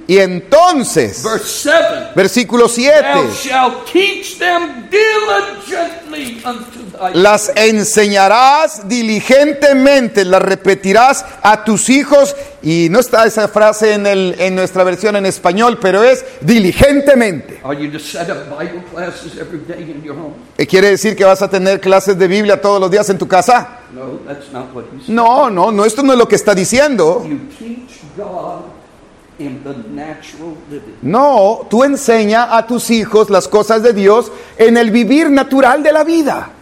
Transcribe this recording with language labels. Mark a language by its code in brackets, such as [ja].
[es] y entonces, versículo 7, [en] thou shalt teach them diligently unto thy [es] las enseñarás diligentemente, las repetirás a tus hijos. Y no está esa frase en nuestra versión en español, pero es diligentemente. [en] Are you to set up Bible classes every day in your home? [es] ¿Quiere decir que vas a tener clases de Biblia todos los días en tu casa? [en] No, that's not what he's saying. [es] No, esto no es lo que está diciendo. [en] You teach God in the natural living. [es] No, tú enseña a tus hijos las cosas de Dios en el vivir natural de la vida.